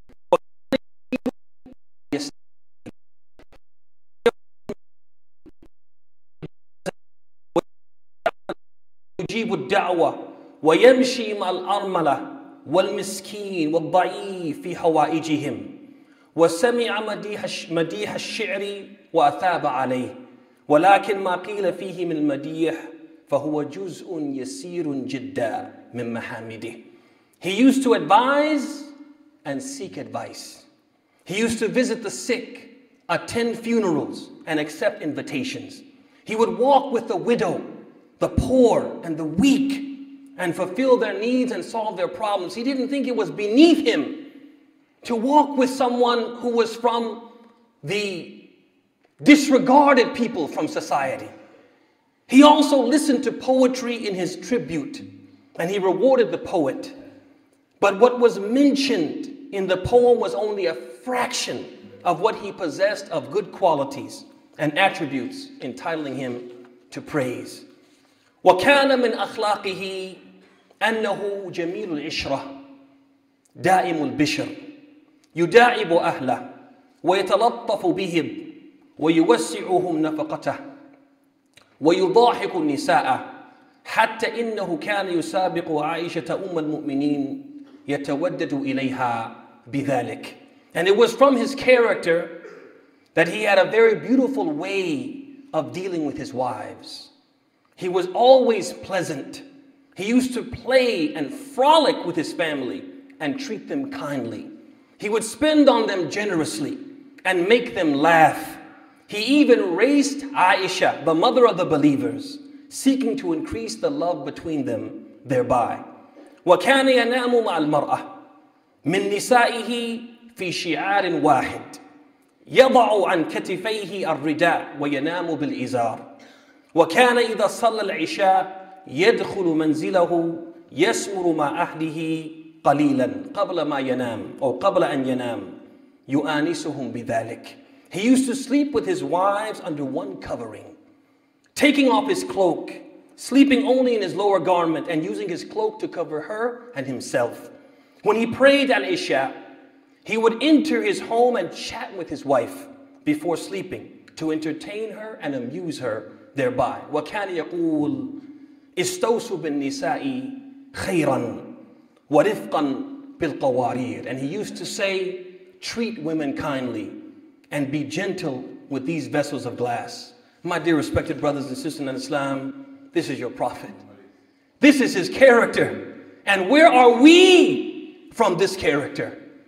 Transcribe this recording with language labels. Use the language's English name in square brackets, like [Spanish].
[English] But he was [Arabic] يجيب الدعوة ويمشي مع الأرملة والمسكين والضعيف في حوائجهم وسمع مديح الشعر وأثاب عليه ولكن ما قيل فيه من المديح فهو جزء يسير جدا من محامده. [English] He used to advise and seek advice. He used to visit the sick, attend funerals, and accept invitations. He would walk with the widow, the poor and the weak, and fulfill their needs and solve their problems. He didn't think it was beneath him to walk with someone who was from the disregarded people from society. He also listened to poetry in his tribute, and he rewarded the poet. But what was mentioned in the poem was only a fraction of what he possessed of good qualities and attributes entitling him to praise. [Arabic] وكان من أخلاقه أنه جميل العشرة دائم البشر يداعب أهله ويتلطف بهم ويوسعهم نفقته ويضاحك النساء حتى إنه كان يسابق عائشة أم المؤمنين يتودد إليها بذلك. [English] And it was from his character that he had a very beautiful way of dealing with his wives. He was always pleasant. He used to play and frolic with his family and treat them kindly. He would spend on them generously and make them laugh. He even raised Aisha, the mother of the believers, seeking to increase the love between them thereby. [Arabic] وكان ينام مع المرأة من نسائه في شعار واحد يضع عن كتفيه الرداء وينام بالإزار. وكان إذا صلى العشاء يدخل منزله يسمر مع أهله قليلا قبل ما ينام أو قبل أن ينام يؤانسهم بذلك. [English] He used to sleep with his wives under one covering, taking off his cloak, sleeping only in his lower garment and using his cloak to cover her and himself. When he prayed at Isha, he would enter his home and chat with his wife before sleeping to entertain her and amuse her thereby. [Arabic] وكان يقول استوسوا بالنساء خيرا ورفقا بالقوارير. [English] And he used to say, treat women kindly and be gentle with these vessels of glass. My dear respected brothers and sisters in Islam, this is your prophet. This is his character. And where are we from this character?